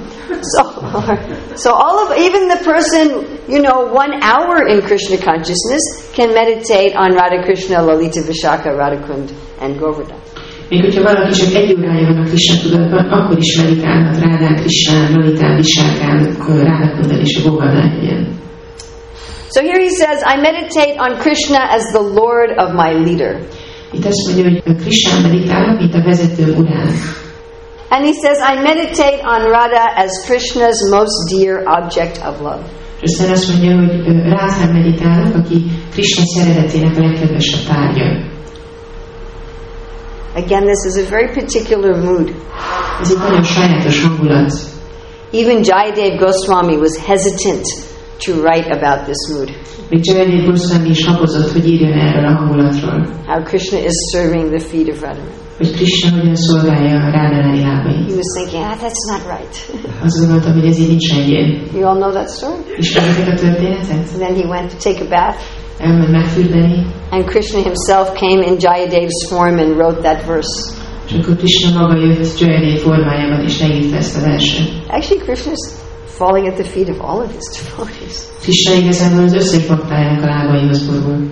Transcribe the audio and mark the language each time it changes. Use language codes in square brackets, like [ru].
[en] So all of, even the person, you know, 1 hour in Krishna consciousness can meditate on Radha Krishna, Lalita Vishaka, Radhakund, and Govardhan. [hu] Még hogyha valaki csak egy órája van a Krishna tudatban, akkor is meditálhat Rádán, Krishna, Lalitán, Visákán, Rádakundán és a Govardhan helyen. [en] So here he says, I meditate on Krishna as the Lord of my leader. [hu] Itt azt mondja, hogy Krishna meditál, mint a vezető urán. [en] And he says, I meditate on Radha as Krishna's most dear object of love. [hu] És aztán azt mondja, hogy Rádhán meditál, aki Krishna szeretetének a legkedvesebb tárgya. [en] Again, this is a very particular mood. [hu] Ez egy nagyon sajátos hangulat. [en] Even Jayadev Goswami was hesitant to write about this mood. [hu] Vicsanyi Goswami is habozott, hogy írjon erről a hangulatról. [en] How Krishna is serving the feet of Radha. [hu] Hogy Krishna hogyan szolgálja a Radharani lábait. [en] He was thinking, ah, that's not right. [hu] Azt gondolta, hogy ez így nincs helyén. [en] You all know that story? [hu] Ismeritek a történetet? [en] And then he went to take a bath. [hu] Elment megfürdeni. [en] And Krishna himself came in Jayadev's form and wrote that verse. [hu] És akkor Krishna maga jött Jayadev formájában és leírta ezt a verset. [en] Actually, Krishna's falling at the feet of all of his devotees. [hu] Krishna igazából az összes baktájának a lábaihoz borul.